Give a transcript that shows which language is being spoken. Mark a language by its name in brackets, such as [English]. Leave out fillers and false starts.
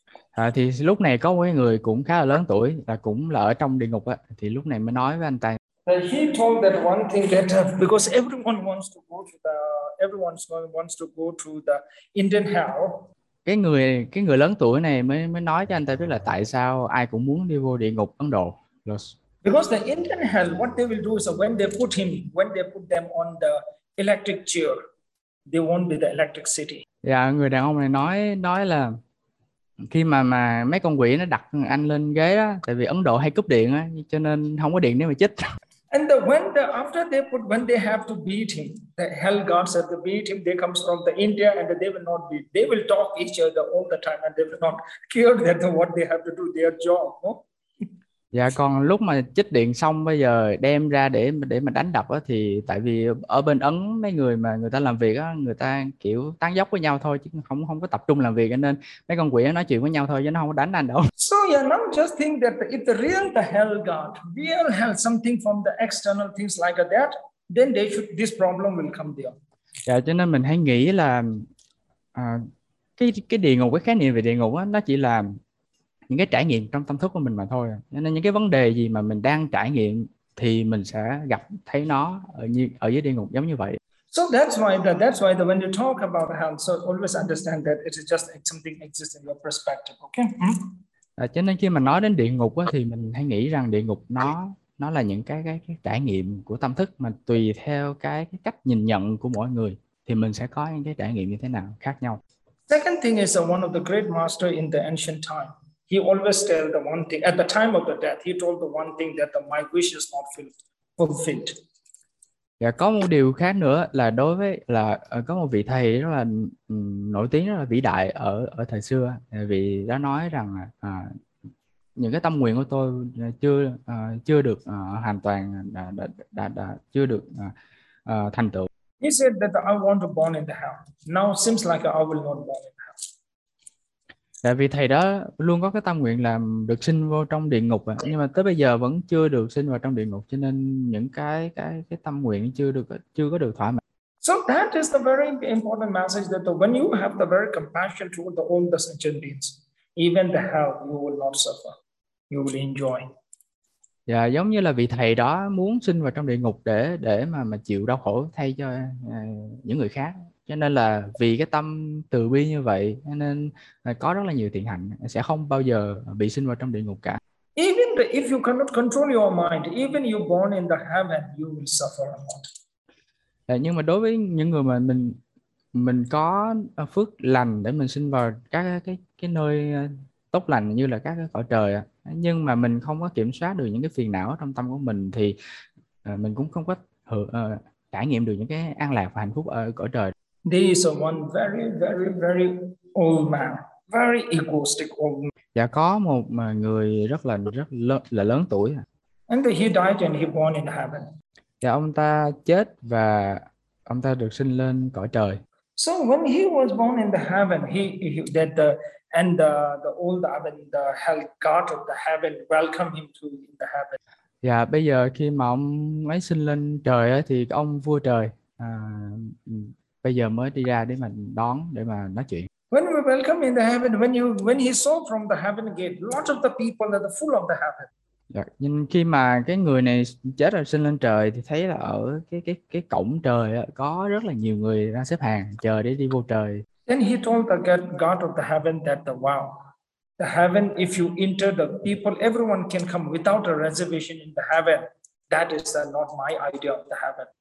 [Vietnamese] À, thì lúc này có một người cũng khá là lớn tuổi là cũng là ở trong địa ngục á, thì lúc này mới nói với anh ta. [English] He told that one thing that because everyone wants to go to the Indian hell. [Vietnamese] Cái người lớn tuổi này mới nói cho anh ta biết là tại sao ai cũng muốn đi vô địa ngục Ấn Độ. [English] Because the Indian hell, what they will do is when they put them on the electric chair, they won't be the electric city. [Vietnamese] Yeah, người đàn ông này nói là khi mà mấy con quỷ nó đặt anh lên ghế á, tại vì Ấn Độ hay cúp điện á, cho nên không có điện nếu mà chích. [English] And the when they have to beat him, the hell gods have to beat him. They come from the India and they will not beat. They will talk each other all the time and they will not care that what they have to do their job. No? [Vietnamese] Dạ, còn lúc mà chích điện xong bây giờ đem ra để mà đánh đập á, thì tại vì ở bên Ấn mấy người mà người ta làm việc á, người ta kiểu tán dóc với nhau thôi chứ không có tập trung làm việc, nên mấy con quỷ nói chuyện với nhau thôi chứ nó không có đánh anh đâu. [English] So yeah, now just think that if the real the hell god, real hell, something from the external things like that, then this problem will come there. [Vietnamese] Dạ, cho nên mình hay nghĩ là cái địa ngục, cái khái niệm về địa ngục á, nó chỉ là những cái trải nghiệm trong tâm thức của mình mà thôi. Nên những cái vấn đề gì mà mình đang trải nghiệm thì mình sẽ gặp thấy nó ở dưới địa ngục giống như vậy. [English] So that's why when you talk about hell, so always understand that it is just something exists in your perspective, okay? [Vietnamese] À, cho nên khi mà nói đến địa ngục á, thì mình hay nghĩ rằng địa ngục nó là những cái trải nghiệm của tâm thức, mà tùy theo cái cách nhìn nhận của mỗi người thì mình sẽ có những cái trải nghiệm như thế nào khác nhau. [English] Second thing is one of the great master in the ancient time. He always tell the one thing at the time of the death. He told the one thing that my wish is not fulfilled. [Vietnamese] Yeah, có một điều khác nữa là đối với là có một vị thầy rất là nổi tiếng, rất là vĩ đại ở ở thời xưa. Vị đã nói rằng những cái tâm nguyện của tôi chưa chưa được hoàn toàn đã chưa được thành tựu. [English] He said that I want to born in the hell. Now seems like I will not born in the hell. [Vietnamese] Tại vì thầy đó luôn có cái tâm nguyện là được sinh vô trong địa ngục, nhưng mà tới bây giờ vẫn chưa được sinh vào trong địa ngục, cho nên những cái tâm nguyện chưa có được thỏa mãn. [English] So that is the very important message that when you have the very compassion toward the all the sentient beings, even the hell, you will not suffer. You will enjoy. [Vietnamese] Dạ, giống như là vị thầy đó muốn sinh vào trong địa ngục để mà chịu đau khổ thay cho những người khác. Cho nên là vì cái tâm từ bi như vậy nên có rất là nhiều thiện hạnh, sẽ không bao giờ bị sinh vào trong địa ngục cả. [English] If you cannot control your mind, even you born in the heaven, you will suffer a lot. [Vietnamese] Nhưng mà đối với những người mà mình có phước lành để mình sinh vào các cái nơi tốt lành như là các cái cõi trời, nhưng mà mình không có kiểm soát được những cái phiền não trong tâm của mình, thì mình cũng không có trải nghiệm được những cái an lạc và hạnh phúc ở cõi trời. [English] There is one very old man, very egoistic old man. [Vietnamese] Dạ, có một mà người rất là lớn tuổi. [English] And he died and he born in heaven. [Vietnamese] Dạ, ông ta chết và ông ta được sinh lên cõi trời. [English] So when he was born in the heaven, he that the and the old heaven, the hell god of the heaven welcome him to in the heaven. [Vietnamese] Dạ, bây giờ khi mà ông ấy sinh lên trời ấy, thì ông vua trời bây giờ mới đi ra để mà đón, để mà nói chuyện. [English] When we welcome in the heaven, when he saw from the heaven gate, lots of the people that are full of the heaven. [Vietnamese] Dạ, nhưng khi mà cái người này chết rồi sinh lên trời thì thấy là ở cái cổng trời ấy, có rất là nhiều người ra xếp hàng chờ để đi vô trời. [English] Then he told the God of the heaven that wow, the heaven, if you enter the people, everyone can come without a reservation in the heaven. That is not my idea of the heaven.